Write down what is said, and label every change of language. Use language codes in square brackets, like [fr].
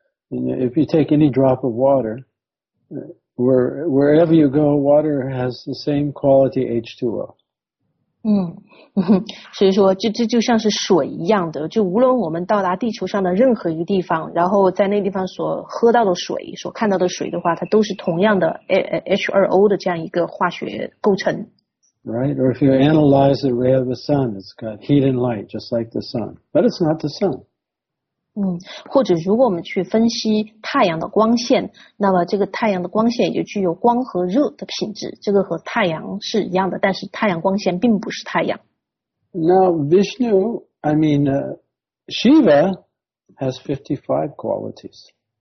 [en] If you take any drop of water, wherever you go, water has the same quality H2O. [zh] 所以说就像是水一样的，就无论我们到达地球上的任何一个地方，然后在那地方所喝到的水，所看到的水的话，它都是同样的 H2O 的这样一个化学构成。 [en] Right, or if you analyze the ray of the sun, it's got heat and light, just like the sun. But it's not the sun. [zh] 或者如果我们去分析太阳的光线，那么这个太阳的光线也就具有光和热的品质，这个和太阳是一样的，但是太阳光线并不是太阳。 [en] Now Vishnu, I mean, Shiva has 55 qualities.